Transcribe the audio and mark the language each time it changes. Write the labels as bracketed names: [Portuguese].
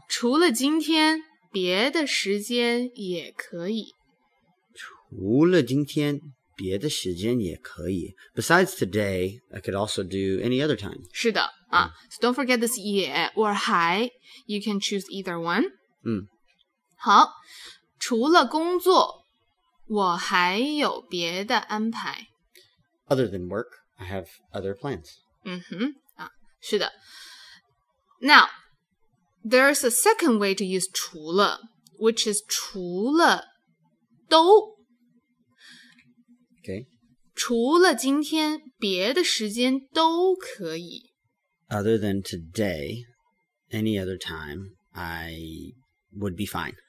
[Chinese] 除了今天，别的时间也可以。除了今天，别的时间也可以。 [English] Besides today, I could also do any other time. [Chinese] 是的。 [English] So don't forget this 也 or 还。You can choose either one. [Chinese] 好。除了工作，我还有别的安排。 [English] Other than work, I have other plans. [Chinese] 是的。 [English] Now, there's a second way to use 除了 which is 除了都。 Okay. [Chinese] 除了今天，别的时间都可以。 [English] Other than today, any other time, I would be fine.